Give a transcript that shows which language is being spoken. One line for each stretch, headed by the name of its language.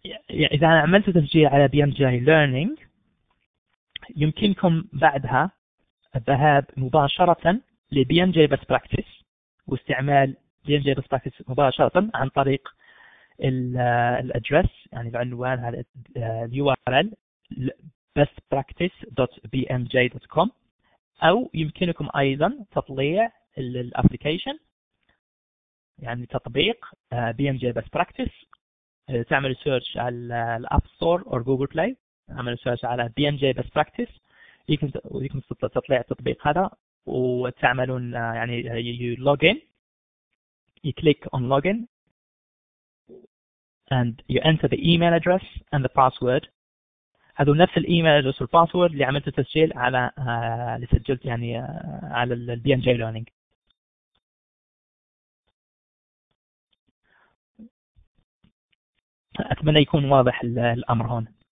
Arabic: إذا عملت تسجيل على BMJ learning يمكنكم بعدها الذهاب مباشرة ل BMJ Best Practice واستعمال BMJ Best Practice مباشرة عن طريق الادرس يعني العنوان URL bestpractice.bmj.com أو يمكنكم أيضا تطليع الابليكيشن يعني تطبيق BMJ Best Practice تعمل سيرش على الأب ستور أو جوجل بلاي تعمل سيرش على BMJ Best Practice يمكن تطلع تطبيق هذا وتعملون يعني
English: you log in, you click on login, and you enter the email address and the password.
Arabic: هذا نفس الايميل address والباسورد اللي عملت تسجيل على اللي سجلت يعني على ال BMJ Learning. أتمنى يكون واضح الأمر هون.